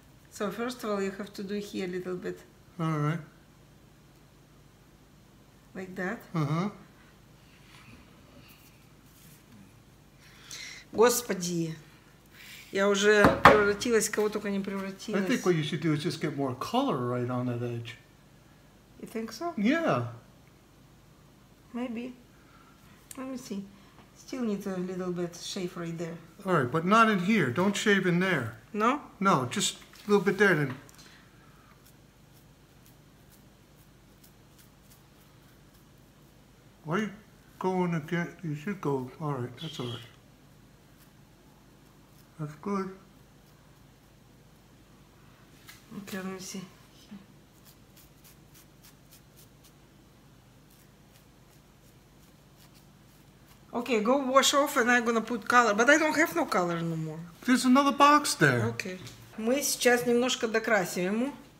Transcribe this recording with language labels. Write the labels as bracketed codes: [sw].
[en] So first of all, you have to do here a little bit. All right. Like that? Uh-huh. [ru] Господи, я уже превратилась, кого только не превратилась. [en] I think what you should do is just get more color right on that edge. You think so? Yeah. Maybe. Let me see. Still need a little bit shave right there. All right, but not in here. Don't shave in there. No? No, just a little bit there then. Why are you going again? You should go. All right, that's all right. That's good. Okay, let me see. Okay, go wash off and I'm gonna put color. But I don't have no color no more. There's another box there. Okay. [ru] Мы сейчас немножко докрасим ему.